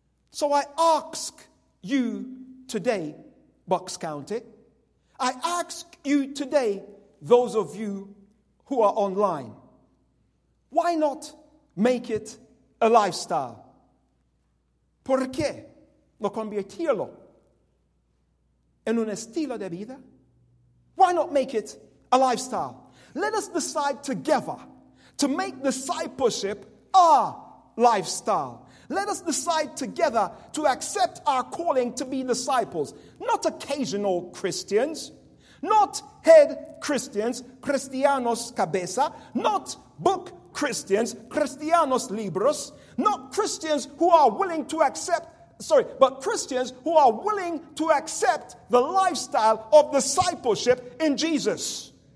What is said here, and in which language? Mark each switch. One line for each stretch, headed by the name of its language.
English: So I ask you today, Bucks County, I ask you today, those of you who are online, why not make it a lifestyle?
Spanish: ¿Por qué no convertirlo en un estilo de vida?
English: Why not make it a lifestyle? Let us decide together to make discipleship our lifestyle. Let us decide together to accept our calling to be disciples, not occasional Christians, not head Christians,
Spanish: cristianos cabeza,
English: not book Christians,
Spanish: cristianos libros,
English: not Christians who are willing to accept, but Christians who are willing to accept the lifestyle of discipleship in Jesus.